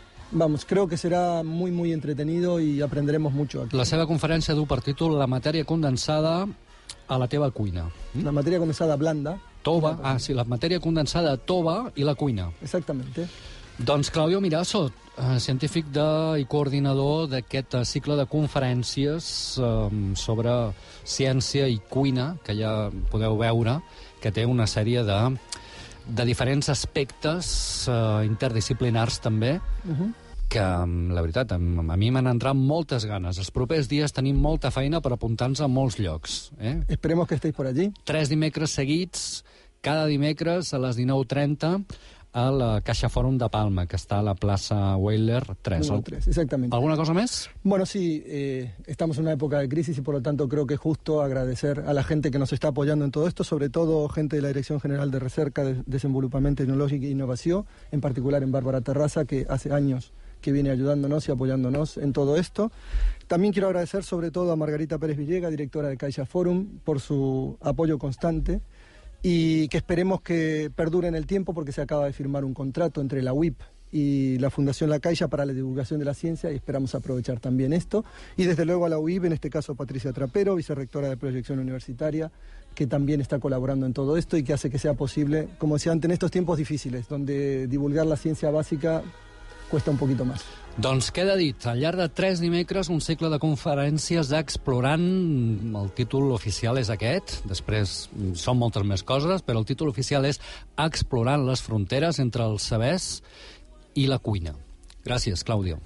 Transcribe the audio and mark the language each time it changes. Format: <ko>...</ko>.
<es>Vamos, creo que será muy, muy entretenido y aprenderemos mucho aquí.</es> <ca>La seva conferència du per títol La matèria condensada a la teva cuina. La matèria condensada blanda. Tova, sí, la matèria condensada tova i la cuina.</ca> <es>Exactamente.</es> <ca>Doncs Claudio Mirasso, científic i coordinador d'aquest cicle de conferències sobre ciència i cuina, que ja podeu veure, que té una sèrie de diferents aspectes interdisciplinars, també, que, la veritat, a mi m'han entrat moltes ganes. Els propers dies tenim molta feina per apuntar-nos a molts llocs.</ca> <es>Esperemos que estéis por allí.</es> <ca>Tres dimecres seguits, cada dimecres a les 19:30, a la Caixa Fòrum de Palma, que està a la plaça Weiler 3. No, 3, exactament. Alguna cosa més?</ca> <es>Bueno, sí, estamos en una época de crisis y por lo tanto creo que es justo agradecer a la gente que nos está apoyando en todo esto, sobre todo gente de la Dirección General de Recerca, Desenvolupament Tecnològic e Innovació, en particular en Bárbara Terraza, que hace años que viene ayudándonos y apoyándonos en todo esto. También quiero agradecer sobre todo a Margarita Pérez Villega, directora de Caixa Fòrum, por su apoyo constante. Y que esperemos que perdure en el tiempo, porque se acaba de firmar un contrato entre la UIP y la Fundación La Caixa para la divulgación de la ciencia, y esperamos aprovechar también esto. Y desde luego a la UIP, en este caso Patricia Trapero, vicerrectora de Proyección Universitaria, que también está colaborando en todo esto y que hace que sea posible, como decía antes, en estos tiempos difíciles, donde divulgar la ciencia básica cuesta un poquito más.</es> <ca>Doncs queda dit, al llarg de tres dimecres, un cicle de conferències explorant, el títol oficial és aquest, després són moltes més coses, però el títol oficial és Explorant les fronteres entre els sabers i la cuina. Gràcies, Claudio.</ca>